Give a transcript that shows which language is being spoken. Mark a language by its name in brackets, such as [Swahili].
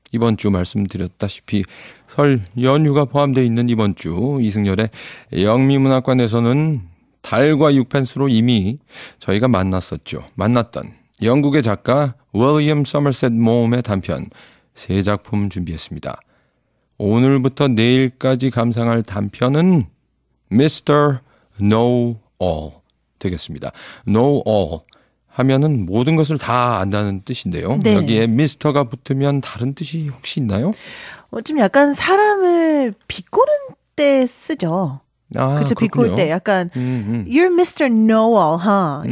[Korean] 이번 주 말씀드렸다시피 설 연휴가 포함되어 있는 이번 주 이승열의 영미문학관에서는 달과 육펜스로 이미 저희가 만났었죠. 만났던 영국의 작가 윌리엄 서머셋 모험의 단편 세 작품 준비했습니다. 오늘부터 내일까지 감상할 단편은 Mr. Know All 되겠습니다. Know All 하면은 모든 것을 다 안다는 뜻인데요. 네. 여기에 Mr.가 붙으면 다른 뜻이 혹시 있나요? 좀 약간 사람을 비꼬는 때 쓰죠. 아, 그렇죠. 비꼴 때 약간 [English] You're Mr. Know-all, huh?